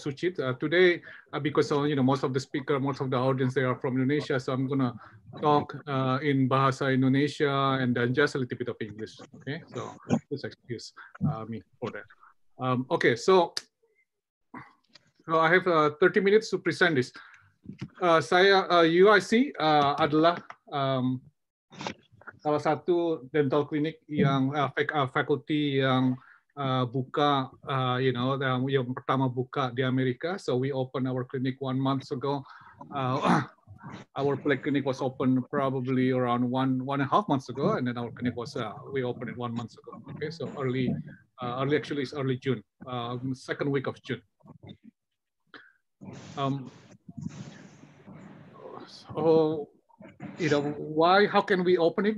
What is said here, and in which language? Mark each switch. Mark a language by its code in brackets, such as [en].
[en] Sucit today, because you know most of the speaker, most of the audience, they are from Indonesia, so I'm gonna talk in Bahasa Indonesia and then just a little bit of English. Okay, so please excuse me for that. Okay, so I have 30 minutes to present this. [id] Saya UIC adalah salah satu dental clinic yang faculty yang buka [en] you know [id] yang pertama buka di Amerika. [en] So we opened our clinic 1 month ago. Our clinic was opened probably around one and a half months ago, and then our clinic was we opened it 1 month ago. Okay, so early June, second week of June. How can we open it?